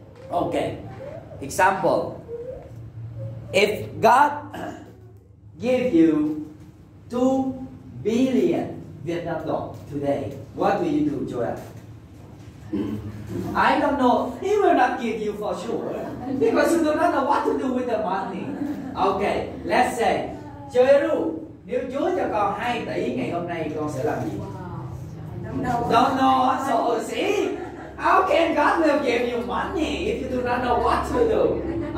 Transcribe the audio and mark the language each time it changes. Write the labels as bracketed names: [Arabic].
[English] Okay. Example. If God give you 2 billion Vietnam dong today, what will you do, Joel? I don't know. He will not give you for sure, because you do not know what to do with the money. Okay, let's say, [Vietnamese] Chơi Ru, nếu Chúa cho con 2 tỷ ngày hôm nay, con sẽ làm gì? [English] don't know what to do. See, how can God will give you money if you do not know what to do?